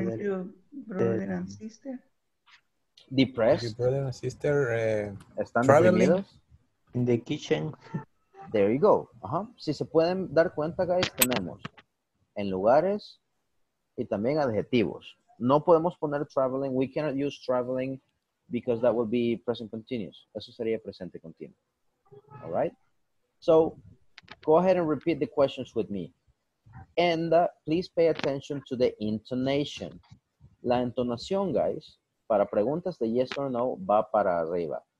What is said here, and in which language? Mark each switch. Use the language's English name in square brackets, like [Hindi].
[English] are you brother and sister? Depressed? Are your brother and sister [Spanish] ¿Están deprimidos? [English] In the kitchen. There you go. Ajá. [Spanish] Si se pueden dar cuenta, guys, tenemos en lugares y también adjetivos. No podemos poner traveling. [English] We cannot use traveling because that would be present continuous. [Spanish] Eso sería presente continuo. [English] All right? So, go ahead and repeat the questions with me. And please pay attention to the intonation. [Spanish] La entonación, guys, para preguntas de [English] yes or no, [Spanish] va para arriba.